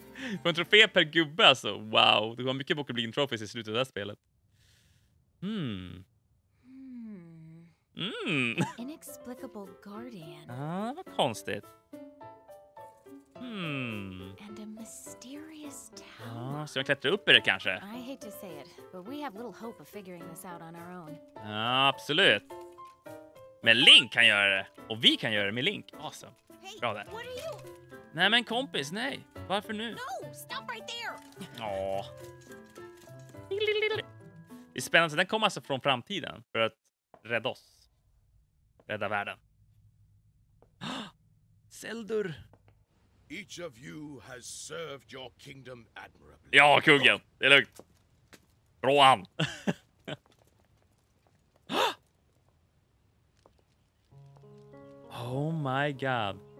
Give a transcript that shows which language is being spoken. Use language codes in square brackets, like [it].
[sv] Du får en trofé per gubbe, alltså. Wow, du har mycket Bokoblin Trophies i slutet av det här spelet. [en] Inexplicable guardian. [sv] Ah, vad konstigt. [en] And a mysterious tower. [sv] Ah, ska jag klättra upp i det kanske? [en] I hate to say it, but we have little hope of figuring this out on our own. [sv] Ja, absolut. Men Link kan göra det. Och vi kan göra det med Link. [en] Awesome. Hey, [sv] bra där. [en] What are you? [sv] Nej, men kompis, nej. Varför nu? [en] No, stop right there. Åh. [sv] Det är spännande. Den kommer alltså från framtiden för att rädda oss. Rädda världen. Seldur. [en] Each of you has served your kingdom admirably. [sv] Ja, kungen. Det är lugnt. Rohan. [en] Oh my god.